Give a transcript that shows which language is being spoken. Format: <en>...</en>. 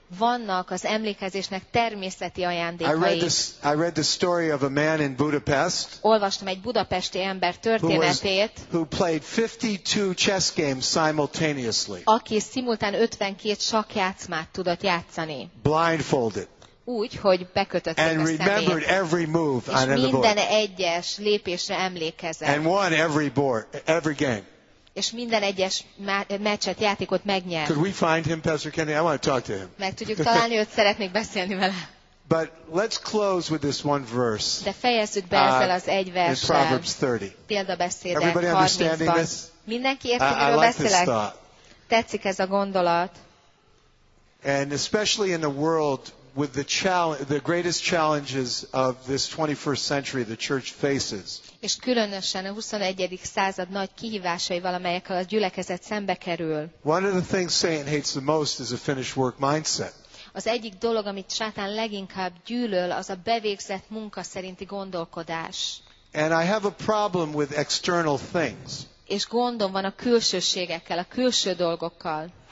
<hu>Vannak az emlékezésnek természeti ajándékai.</hu> <en>I read the story of a man in Budapest.</en> <hu>Olvastam egy budapesti ember történetét.</hu> <en>Who played 52 chess games simultaneously.</en> <hu>Aki szimultán 52 sakkjátszmát tudott játszani.</hu> <en>Blindfolded.</en> <hu>Úgy, hogy bekötötte a szemét.</hu> <en>And remembered every move on every board.</en> <hu>És minden egyes lépésre emlékezett.</hu> <en>And won every board, every game.</en> <hu>és minden egyes meccset, játékot megnyer.</hu> <en>Could we find him, Pastor Kenny? I want to talk to him.</en> <hu>Meg tudjuk találni őt, szeretnék beszélni vele.</hu> <en>But let's close with this one verse.</en> <hu>De fejezzük be ezzel az egy verssel.</hu> <en>In Proverbs 30.</en> <hu>Példabeszédek 30-ban.</hu> <en>Everybody understanding this?</en> <hu>Mindenki érti, miről beszélek?</hu> <en>I like this thought.</en> <hu>Tetszik ez a gondolat.</hu> <en>And especially in the world with the greatest challenges of this 21st century the church faces.</en> <hu>És különösen a 21. század nagy kihívásaival, amelyekkel a gyülekezet szembe kerül.</hu> <en>One of the things Satan hates the most is a finished work mindset.</en> <hu>Az egyik dolog, amit Sátán leginkább gyűlöl, az a bevégzett munka szerinti gondolkodás.</hu> <en>And I have a problem with external things.</en> <hu>És gondom van a külsőségekkel, a külső dolgokkal.</hu>